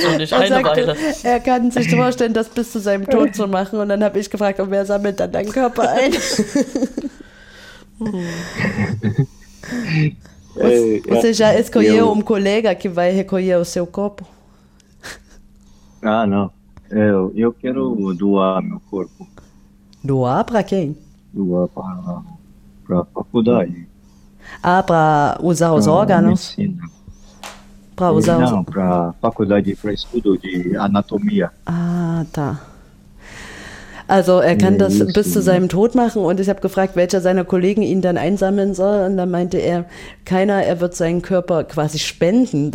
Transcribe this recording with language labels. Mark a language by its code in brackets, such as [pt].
[de] Er kann sich vorstellen, das bis zu seinem Tod zu machen. Und dann habe ich gefragt, wer sammelt dann deinen Körper ein? [pt] Você já escolheu colega que vai recolher o seu corpo? Ah, não. Eu quero doar meu corpo. Doar para quem? Doar para a faculdade. Ah, para usar os órgãos? Para usar não, para faculdade, para estudo de anatomia. Ah, tá. [de] Also, er kann das bis zu seinem Tod machen und ich habe gefragt, welcher seiner Kollegen ihn dann einsammeln soll und dann meinte er, keiner, er wird seinen Körper quasi spenden.